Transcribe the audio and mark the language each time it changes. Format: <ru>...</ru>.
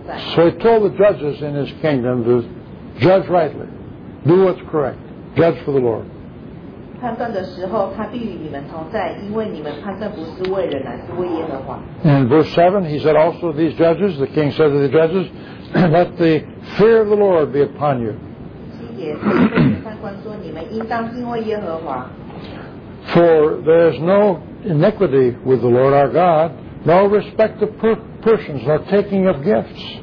<en>So he told the judges in his kingdom to judge rightly, do what's correct, judge for the Lord.</en> <zh>判断的时候,他必与你们同在,因为你们判断不是为人来,是为耶和华。</zh> <en>In verse 7, he said also to these judges, the king said to the judges, let the fear of the Lord be upon you.</en> <zh>七节,判官说,你们应当敬畏耶和华。</zh> <en>For there is no iniquity with the Lord our God, no respect of persons, nor taking of gifts.</en>